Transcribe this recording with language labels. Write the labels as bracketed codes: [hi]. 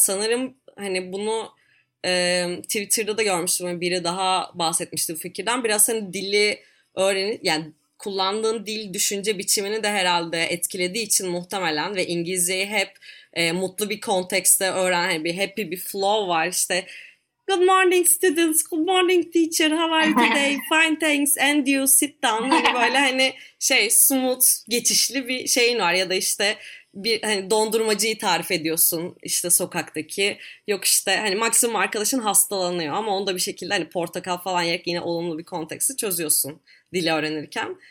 [tr] Sanırım hani bunu Twitter'da da görmüştüm. Biri daha bahsetmişti bu fikirden. Biraz hani dili öğrenip yani kullandığın dil düşünce biçimini de herhalde etkilediği için muhtemelen ve İngilizceyi hep mutlu bir kontekste öğren, hani bir happy bir flow var işte. [en] Good morning students, good morning teacher, how are you today? Fine thanks, and you sit down. [tr] Hani böyle hani şey smooth geçişli bir şeyin var ya da işte bir hani dondurmacıyı tarif ediyorsun işte sokaktaki. Yok işte hani maksimum arkadaşın hastalanıyor ama onu da bir şekilde hani portakal falan yerek yine olumlu bir konteksti çözüyorsun dili öğrenirken.